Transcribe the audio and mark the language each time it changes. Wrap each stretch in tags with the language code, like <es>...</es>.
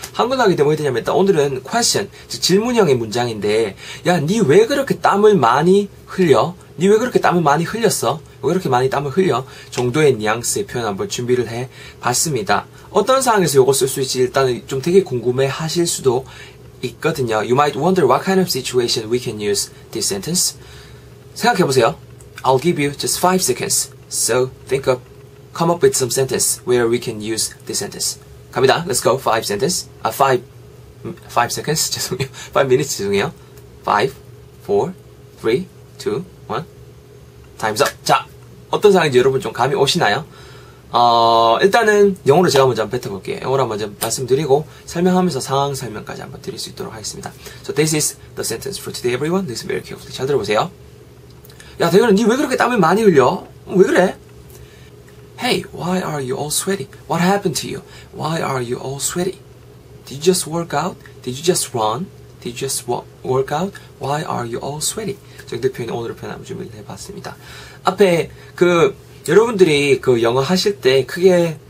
<ko>한글로 하게 되면 어떻게 되냐면 일단 오늘은 question, 즉 질문형의 문장인데 야, 니 왜 그렇게 땀을 많이 흘려? 니 왜 그렇게 땀을 많이 흘렸어? 왜 그렇게 많이 땀을 흘려? 정도의 뉘앙스의 표현 한번 준비를 해봤습니다. 어떤 상황에서 이거 쓸 수 있지 일단 좀 되게 궁금해 하실 수도 있거든요.</ko> <en>You might wonder what kind of situation we can use this sentence.</en> <ko>생각해보세요.</ko> <en>I'll give you just 5 seconds. So think up, come up with some sentence where we can use this sentence.</en> <ko>갑니다.</ko> <en>Let's go. 5 sentence. 아, 5 seconds.</en> <ko>죄송해요.</ko> <en>5 minutes. 죄송해요. 5, 4, 3, 2, 1. Time's up.</en> <ko>자, 어떤 상황인지 여러분 좀 감이 오시나요? 일단은 영어로 제가 먼저 한번 뱉어볼게요. 영어로 한번 좀 말씀드리고 설명하면서 상황 설명까지 한번 드릴 수 있도록 하겠습니다.</ko> <en>So this is the sentence for today, everyone. Listen very carefully.</en> <ko>잘 들어보세요. 야, 대근아, 니 왜 그렇게 땀을 많이 흘려? 왜 그래?</ko> <en>Hey, why are you all sweaty? What happened to you? Why are you all sweaty? Did you just work out? Did you just run? Did you just work out? Why are you all sweaty?</en> <ko>정도 표현이 오늘의 표현 한번 준비를 해봤습니다. 앞에 그 여러분들이 그 영어 하실 때 크게</ko>